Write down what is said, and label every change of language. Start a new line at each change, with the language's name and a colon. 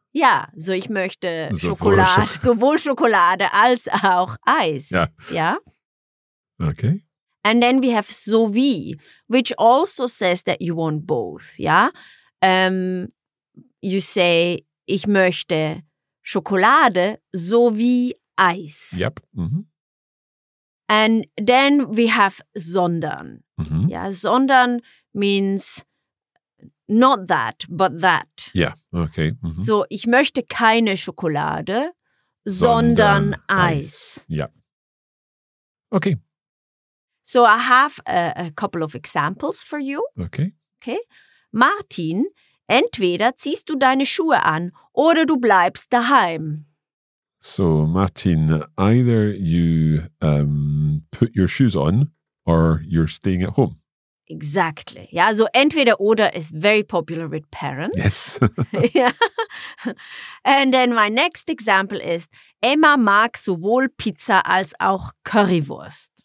German: Yeah, so ich möchte Schokolade, sowohl Schokolade als auch Eis.
English: Yeah. Yeah. Okay. And then we have sowie, which also says that you want both, yeah. You say,
German: ich möchte Schokolade sowie Eis.
English: Yep. Mm-hmm. And then we have sondern. Mm-hmm. Yeah, sondern means not that, but that. Yeah, okay. Mm-hmm.
German: So, ich möchte keine Schokolade, sondern Eis.
English: Yeah. Okay. So, I have a couple of examples for you. Okay. Okay.
German: Martin, entweder ziehst du deine Schuhe an oder du bleibst daheim.
English: So, Martin, either you put your shoes on or you're staying at home. Exactly. Yeah, so entweder oder is very popular with parents. Yes. Yeah. And then my next example is
German: Emma mag sowohl Pizza als auch Currywurst.